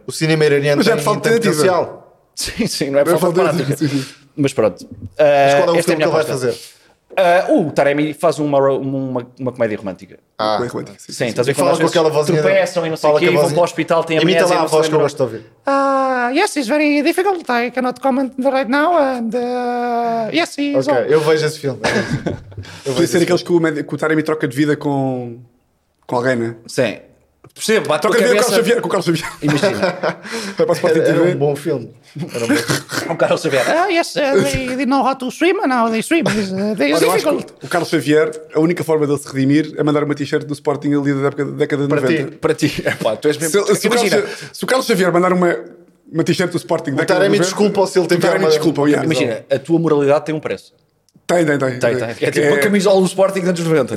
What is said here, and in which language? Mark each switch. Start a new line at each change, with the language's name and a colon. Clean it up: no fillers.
Portuguese: O cinema iraniano tem potencial. Sim, não é para falar. Mas pronto. Mas qual é o filme que ele vai fazer? O Taremi faz uma comédia romântica. Ah, sim, estás a ver quando com aquela vozinha. Tropeçam e não sei o quê, vão para o hospital, têm amnésia. Imita lá a voz que eu gosto de ouvir.
English: Yes, it's very difficult. I cannot comment right now. And yes, it's
Portuguese: ok, eu vejo esse filme. Podia ser aqueles que o Taremi troca de vida com alguém, né? Sim. Percebo, bate troca a cabeça. Com o Carlos Xavier. Imagina. Era um bom filme. O Carlos Xavier.
English: Yes, they didn't know how to swim, and now they swim. It's difficult.
Portuguese: O Carlos Xavier, a única forma dele se redimir é mandar uma t-shirt do Sporting ali da época da década de 90. Para ti. É pá, tu és mesmo... Imagina. Se o Carlos Xavier mandar uma t-shirt do Sporting da década de 90... O Taremi desculpa se ele tem... O Taremi desculpa, imagina, a tua moralidade tem um preço. Tem. É tipo a camisola do Sporting dos anos 90.